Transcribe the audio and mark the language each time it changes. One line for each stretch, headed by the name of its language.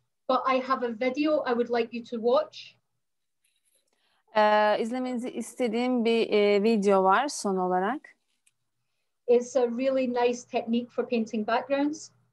English: But I have a video I would like you to watch.
Turkish: İzlemenizi istediğim bir video var son olarak.
English: It's a really nice technique for painting backgrounds.